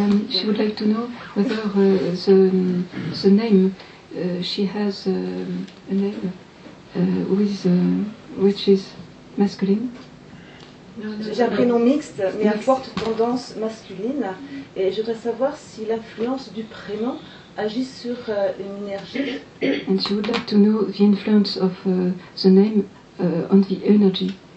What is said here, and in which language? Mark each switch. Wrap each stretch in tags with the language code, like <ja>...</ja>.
<en>She would like to know whether the name she has a name which is masculine.</en> <fr>J'ai un prénom mixte, mais à forte tendance masculine. Et je voudrais savoir si l'influence du prénom agit sur une énergie.</fr> <en>And she would like to know the influence of the name on the energy.</en>